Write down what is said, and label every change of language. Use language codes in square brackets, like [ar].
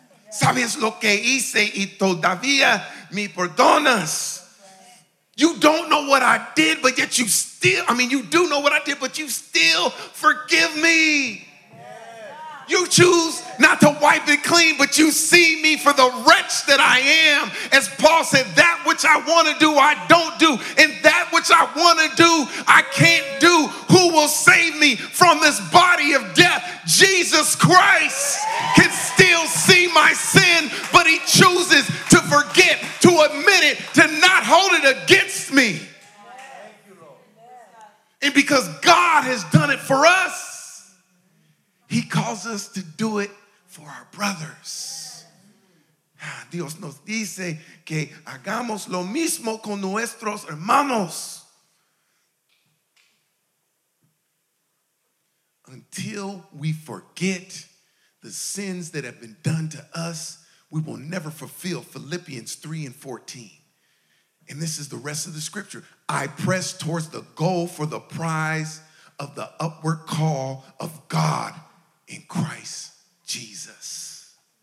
[es] Sabes lo que hice y todavía me perdonas. [en] You don't know what I did, but yet you still, I mean, you do know what I did, but you still forgive me. You choose not to wipe it clean, but you see me for the wretch that I am. As Paul said, that which I want to do, I don't do. And that which I want to do, I can't do. Who will save me from this body of death? Jesus Christ can still see my sin, but he chooses to forget, to admit it, to not hold it against me. And because God has done it for us, he calls us to do it for our brothers. [es] Dios nos dice que hagamos lo mismo con nuestros hermanos. [en] Until we forget the sins that have been done to us, we will never fulfill Philippians 3 and 14. And this is the rest of the scripture. I press towards the goal for the prize of the upward call of God in Christ Jesus.